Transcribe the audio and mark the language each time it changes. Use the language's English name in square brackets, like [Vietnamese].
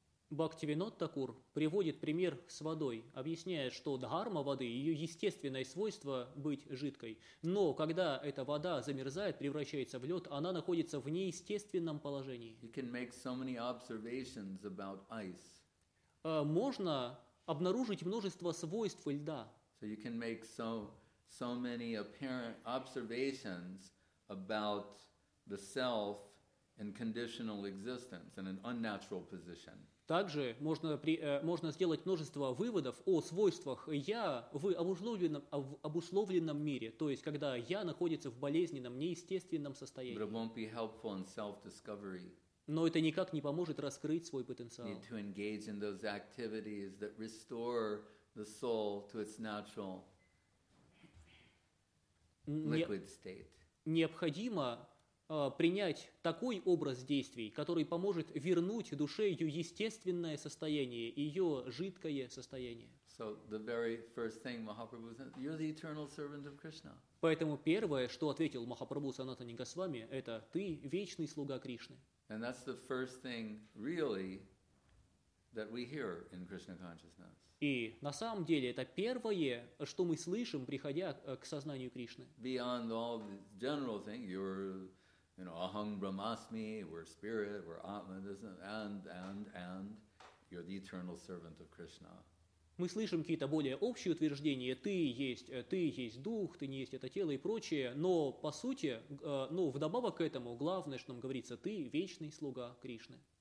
[Russian] Бхактивинод Такур приводит пример с водой, объясняя, что дхарма воды, ее естественное свойство быть жидкой. Но когда эта вода замерзает, превращается в лед, она находится в неестественном положении. [English] You can make so many observations about ice. [Russian] Можно обнаружить множество свойств льда. [English] So you can make so many apparent observations about the self in conditional existence, in an unnatural position. [Russian] Также можно, можно сделать множество выводов о свойствах «я» в обусловленном мире, то есть когда «я» находится в болезненном, неестественном состоянии. [English] But it won't be helpful in self-discovery. [Russian] Но это никак не поможет раскрыть свой потенциал. [English] Need to engage in those activities that restore the soul to its natural liquid state. [Russian] Необходимо принять такой образ действий, который поможет вернуть душе ее естественное состояние, ее жидкое состояние. [English] So the very first thing Mahaprabhu said, you're the eternal servant of Krishna. [Russian] Поэтому первое, что ответил Махапрабху Санатани Госвами, это ты вечный слуга Кришны. [English] And that's the first thing really that we hear in Krishna consciousness. [Russian] И на самом деле это первое, что мы слышим, приходя к сознанию Кришны. [English] Beyond all the general thing, you know, [Sanskrit] aham brahmasmi, [English] we're spirit, we're atma, and you're the eternal servant of Krishna. [Russian] Мы слышим какие-то более общие утверждения, ты есть дух, ты не есть это тело и прочее, но по сути, ну, вдобавок к этому, главное, что нам говорится, ты вечный слуга Кришны.